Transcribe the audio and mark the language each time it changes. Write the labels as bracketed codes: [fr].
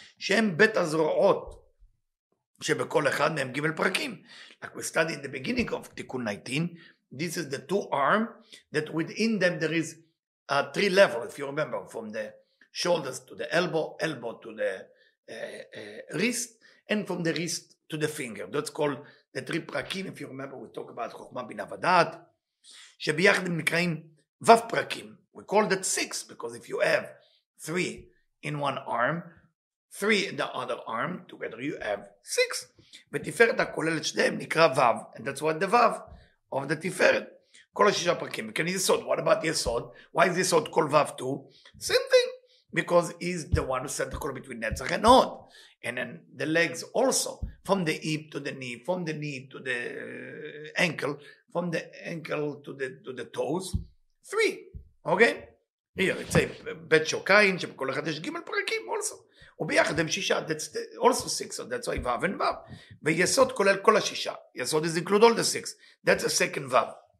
[he] Shem bet azro'ot. שבכל אחד מהם גימל פרקים. [en] Like we studied in the beginning of Tikkun 19, this is the two arm, that within them there is a three level, if you remember, from the shoulders to the elbow, elbow to the wrist, and from the wrist to the finger. That's called the three פרקים, if you remember, we talk about [he] חוכמה בינה ודעת, שביחד הם נקראים וו פרקים. [en] We call that six, because if you have three in one arm, three in the other arm, together you have six. [he] ותפארת הכוללת שניהם נקרא וו, [en] and that's what the וו of the תפארת. [he] כל השישה פרקים. וכן יסוד, [en] what about יסוד? Why is יסוד called וו too? Same thing, because he's the one who set the call between נצח and עוד. And then the legs also, from the hip to the knee, from the knee to the ankle, from the ankle to the toes, three, okay? Here, it's a [he] בית שוקיין, שבכל אחד יש גימל פרקים also. וביחד הם שישה, [en] that's also six, so that's why וו and וו. [he] ויסוד כולל כל השישה. [en] יסוד is include all the six. That's a second וו.